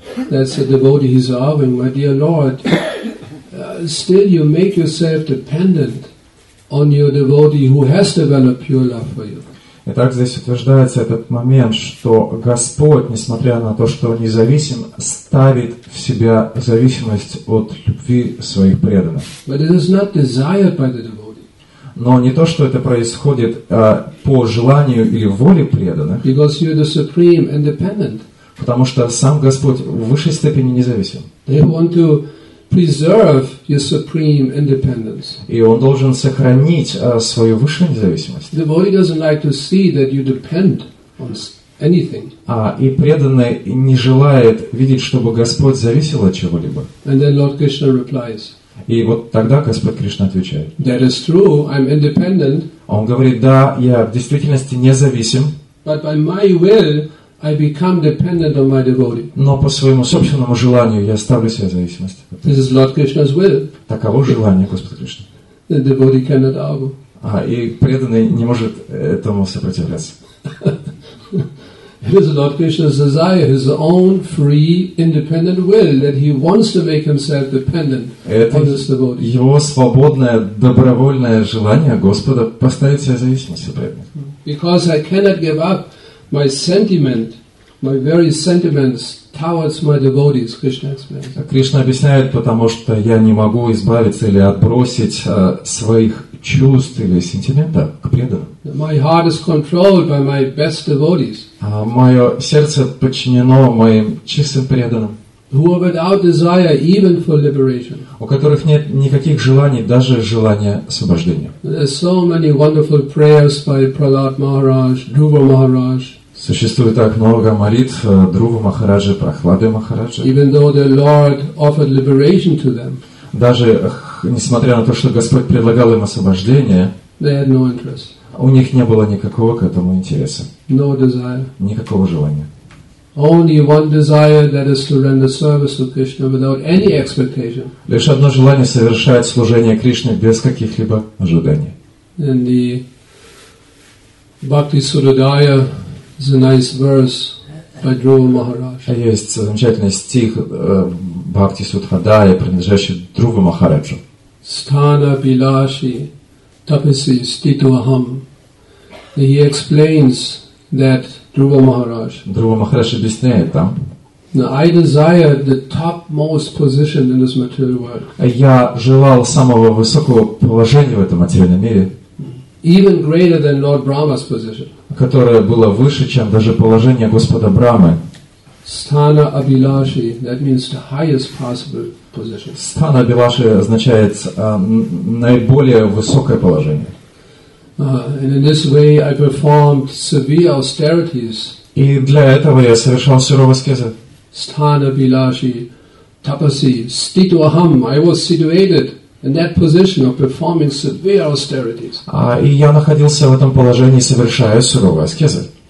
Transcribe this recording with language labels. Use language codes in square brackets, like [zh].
[en] That's the devotee he's arguing, my dear Lord. Still, you make yourself dependent on your devotee who has developed pure love for you. [ru] Итак, здесь утверждается этот момент, что Господь, несмотря на то, что он независим, ставит в себя зависимость от любви своих преданных. [en] But it is not desired by the devotee. [ru] но не то, что это происходит по желанию или воле преданных. [en] Because you are the supreme independent. [ru] Потому что сам Господь в высшей степени независим. [en] They want to preserve your supreme independence. [ru] И он должен сохранить свою высшую независимость. [en] The body doesn't like to see that you depend on anything. [ru] И преданный не желает видеть, чтобы Господь зависел от чего-либо. [en] And then Lord Krishna replies. [ru] И вот тогда Господь Кришна отвечает. [en] That is true. I'm independent. [ru] Он говорит: да, я в действительности независим. [en] But by my will, I become dependent on my devotee. [ru] Но по своему собственному желанию я ставлю себя в зависимость. [en] This is Lord Krishna's will. [ru] Таково желание Господа Кришны. [en] The devotee cannot argue. [ru] И преданный не может этому сопротивляться. [en] It is Lord Krishna's desire, his own free, independent will, that he wants to make himself dependent on this devotee. [ru] Это его свободное, добровольное желание Господа поставить себя в зависимость от преданного. [en] Because I cannot give up my sentiment, my very sentiments towards my devotees, Krishna explains. [ru] Кришна объясняет, потому что я не могу избавиться или отбросить своих чувств или сентиментов к преданным. [en] My heart is controlled by my best devotees. [ru] Мое сердце подчинено моим чистым преданным. [en] Who are without desire even for liberation. [ru] У которых нет никаких желаний, даже желания освобождения. [en] There are so many wonderful prayers by Prahlad Maharaj, Dhruva Maharaj. [ru] Существует так много молитв Друва Махараджа, Прахлады Махараджа. [en] Even though the Lord offered liberation to them. [ru] Даже несмотря на то, что Господь предлагал им освобождение, [en] they had no interest. [ru] У них не было никакого к этому интереса. [en] No desire. [ru] Никакого желания. [en] Only one desire, that is to render service to Krishna without any expectation. [ru] Лишь одно желание — совершать служение Кришне без каких-либо ожиданий. [en] And the Bhakti Suradaya is a nice verse by Dhruva Maharaj. [ru] Есть замечательный стих Бхакти Сутхадая, принадлежащий Друва Махараджу. [sa] Стана Билаши Тапаси Ститу Ахам. [en] He explains that Dhruva Maharaj. [ru] Dhruva Maharaj объясняет там. [en] I desire the topmost position in this material world. [ru] Я желал самого высокого положения в этом материальном мире. [en] Even greater than Lord Brahma's position. [ru] Которое было выше, чем даже положение Господа Брамы. [en] Stana Abhilashi, that means the highest possible position. [ru] Stana Abhilashi означает наиболее высокое положение. [en] And in this way I performed severe austerities. [ru] И для этого я совершал суровые аскезы. [sa] Stana Abhilashi Tapasi Stitu Aham. [en] I was situated in that position of performing severe austerities. [ru] И я находился в этом положении, совершая суровые аскезы.